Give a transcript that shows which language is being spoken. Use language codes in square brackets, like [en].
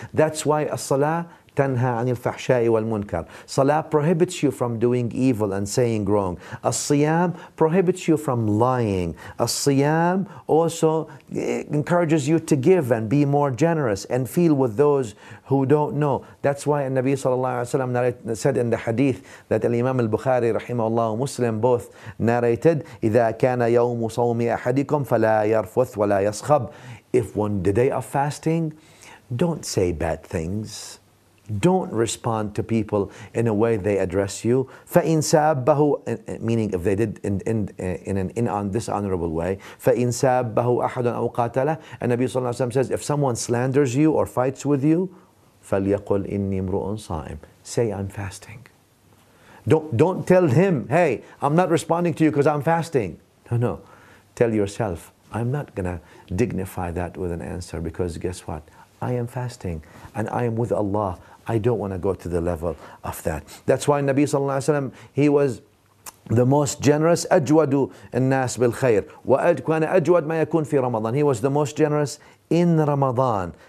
[en] That's why a salah [ar] تنهى عن الفحشاء والمنكر. [en] Salah prohibits you from doing evil and saying wrong. الصيام prohibits you from lying. الصيام also encourages you to give and be more generous and feel with those who don't know. That's why [ar] النبي صلى الله عليه وسلم [en] said in the hadith that [ar] الإمام البخاري رحمه الله ومسلم both narrated, إذا كان يوم صوم أحدكم فلا يرفث ولا يصخب. [en] If on the day of fasting, don't say bad things. Don't respond to people in a way they address you. [ar] فَإِنْ سَابَّهُ, [en] meaning if they did in an dishonorable way. [ar] فَإِنْ سَابَّهُ أَحَدٌ أَوْ قَاتَلَهُ, [en] and Nabi sallallahu alayhi wa sallam says, if someone slanders you or fights with you, [ar] فَلْيَقُلْ إِنِّي مْرُؤٌ صَائِمٌ, [en] say I'm fasting. Don't tell him, hey, I'm not responding to you because I'm fasting. No. Tell yourself, I'm not going to dignify that with an answer because guess what? I am fasting and I am with Allah. I don't want to go to the level of that. That's why Nabi sallallahu alayhi wa sallam, he was the most generous. [ar] أجود الناس بالخير وكان أجود ما يكون في رمضان. [en] He was the most generous in Ramadan.